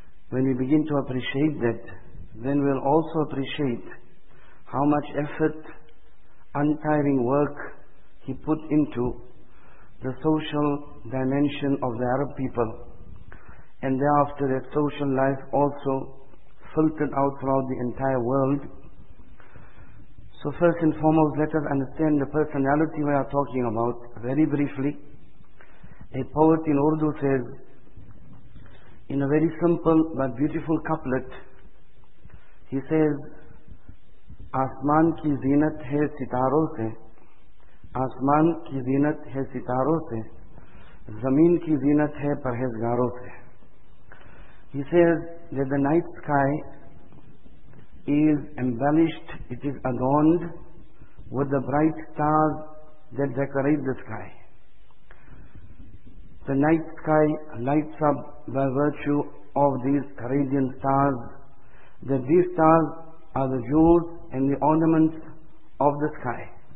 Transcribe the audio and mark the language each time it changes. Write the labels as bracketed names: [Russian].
[English] when we begin to appreciate that, then we'll also appreciate how much effort, untiring work he put into the social dimension of the Arab people, and thereafter their social life also filtered out throughout the entire world. So first and foremost, let us understand the personality we are talking about very briefly. A poet in Urdu says, in a very simple but beautiful couplet, he says, [Urdu] آسمان کی زینت ہے ستاروں سے، آسمان کی زینت ہے ستاروں سے، زمین کی زینت ہے پرہیزگاروں سے. [English] He says that the night sky is embellished, it is adorned with the bright stars that decorate the sky. The night sky lights up by virtue of these radiant stars, that these stars are the jewels and the ornaments of the sky.